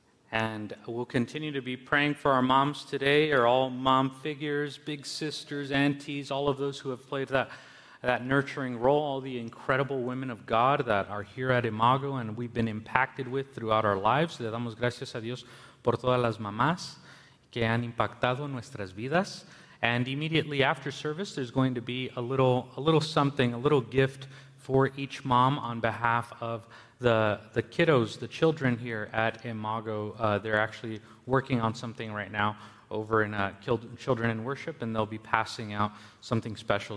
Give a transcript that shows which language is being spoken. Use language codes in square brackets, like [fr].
[en] And we'll continue to be praying for our moms today, or all mom figures, big sisters, aunties, all of those who have played that nurturing role, all the incredible women of God that are here at Imago and we've been impacted with throughout our lives. [es] Le damos gracias a Dios por todas las mamás que han impactado nuestras vidas. [en] And immediately after service, there's going to be a little something, a little gift for each mom on behalf of the kiddos, the children here at Imago. They're actually working on something right now over in Children in Worship, and they'll be passing out something special.